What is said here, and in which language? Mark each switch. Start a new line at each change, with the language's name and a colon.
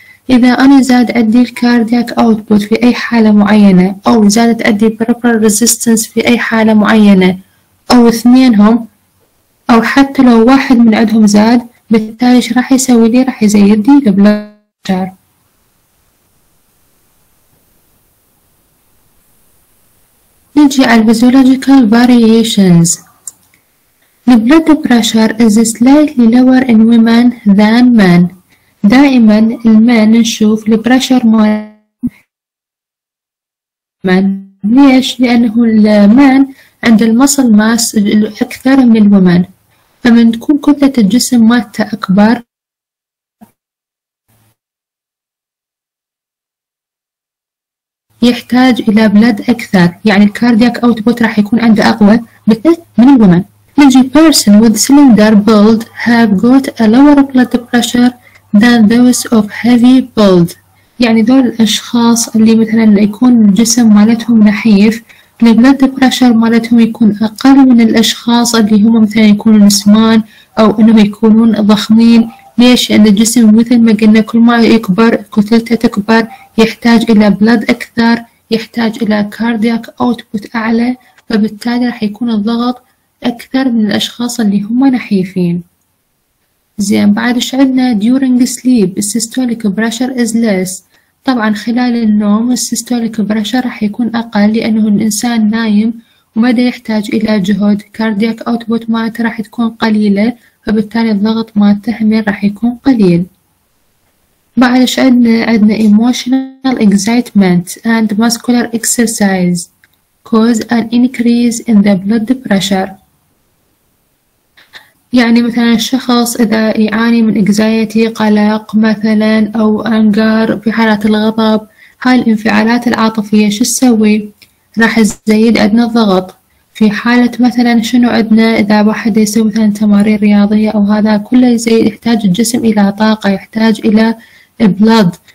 Arabic: إذا أنا زاد أدي الكاردياك أوتبوت في أي حالة معينة، أو زادت أدي البريفرال ريزيستنس في أي حالة معينة، أو اثنينهم، أو حتى لو واحد من عندهم زاد، بالتالي إيش راح يسوي لي؟ راح يزيد لي البلد بريشر. نجي على الفيزيولوجيكال فاريشنز.
English: البلد pressure is slightly lower in women than men.
Arabic: دائما المان نشوف البريشر مان، ليش؟ لانه المان عند المصل ماس اكثر من الومان، فمن تكون كتلة الجسم مالته اكبر يحتاج الى بلد اكثر، يعني الكاردياك اوتبوت راح يكون عنده اقوى من الومان. نجي
English: person with cylinder build have got a lower blood pressure than those of heavy build.
Arabic: يعني دول الأشخاص اللي مثلا يكون الجسم مالتهم نحيف البلد بريشر مالتهم يكون أقل من الأشخاص اللي هم مثلا يكونون سمان أو أنهم يكونون ضخمين. ليش؟ لأن الجسم مثل ما قلنا كل ما يكبر كتلته تكبر يحتاج إلى بلد أكثر، يحتاج إلى كاردياك أوتبوت أعلى، فبالتالي راح يكون الضغط أكثر من الأشخاص اللي هم نحيفين. زين بعد ايش عندنا؟
English: during sleep systolic pressure is less.
Arabic: طبعا خلال النوم systolic pressure راح يكون اقل لانه الانسان نايم ومدى يحتاج الى جهد، cardiac output مالته راح تكون قليلة، فبالتالي الضغط مالته راح يكون قليل. بعد ايش عندنا؟ عندنا
English: emotional excitement and muscular exercise cause an increase in the blood pressure.
Arabic: يعني مثلا الشخص إذا يعاني من anxiety قلق مثلا أو anger في حالات الغضب، هاي الانفعالات العاطفية شو تسوي؟ راح تزيد عندنا الضغط. في حالة مثلا شنو عندنا؟ إذا واحد يسوي مثلا تمارين رياضية أو هذا كله يزيد، يحتاج الجسم إلى طاقة، يحتاج إلى blood.